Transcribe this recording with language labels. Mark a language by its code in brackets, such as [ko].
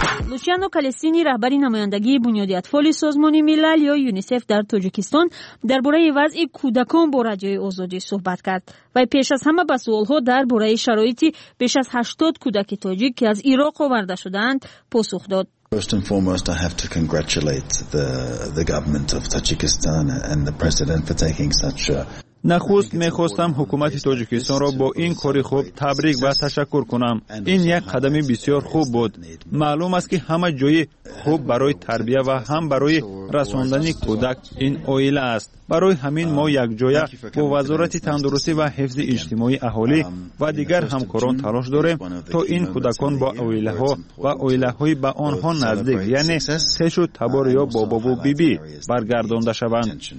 [fa] لوچیانو کالستینی رهبری نمایندگی بنیاد اطفال سازمان ملل یا یونیسف در تاجیکستان درباره وضع کودکان با رادیوی آزادی صحبت کرد و پیش از همه به سوال‌ها درباره شرایط بیش از 80 کودک تاجیک که از عراق آورده شدند پاسخ داد. [en] First and foremost, I have to congratulate the government of Tajikistan and the president for taking such a [fa] نخست می‌خواستم حکومت تاجیکستان را با این کاری خوب تبریک و تشکر کنم. این یک قدمی بسیار خوب بود. معلوم است که همه جای خوب برای تربیت و هم برای رساندن کودک این اویل است. برای همین ما یک جای با وزارت تندرستی و حفظ اجتماعی اهالی و دیگر همکاران تلاش داریم تا این کودکان با اویله‌ها و اویله‌های با آنها نزدیک، یعنی تشو تبار یا بابا و بیبی برگردانده شوند.